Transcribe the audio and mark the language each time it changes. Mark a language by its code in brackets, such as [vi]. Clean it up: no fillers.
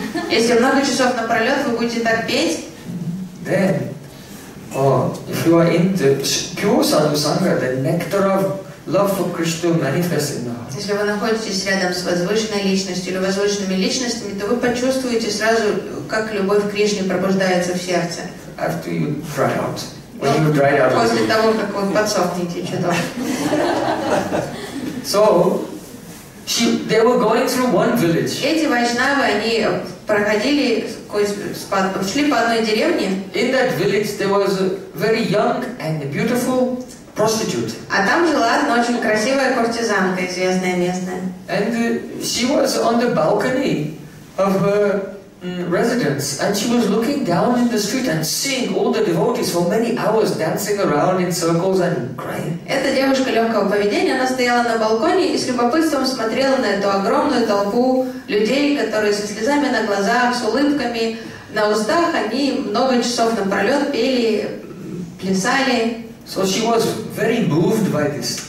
[ru] Если много часов напролет вы будете так петь, [en] then, if you are in the pure sadhu sangha, the nectar of love for Krishna manifests in us. [ru] Если вы находитесь рядом с возвышенной личностью или возвышенными личностями, то вы почувствуете сразу, как любовь к Кришне пробуждается в сердце. [en] After you dry out, when you dry out. [ru] После того, как вы подсохнете чуток. [en] So, they were going through one village. [ru] Эти вайшнавы, они проходили, шли по одной деревне. [en] In that village there was a very young and beautiful prostitute. [ru] А там жила одна очень красивая куртизанка, известная местная. [en] And she was on the balcony of her residence, and she was looking down in the street and seeing all the devotees for many hours dancing around in circles and crying. [ru] Эта девушка легкого поведения, она стояла на балконе и с любопытством смотрела на эту огромную толпу людей, которые со слезами на глазах, с улыбками на устах, они много часов напролет пели, плясали. [en] So she was very moved by this.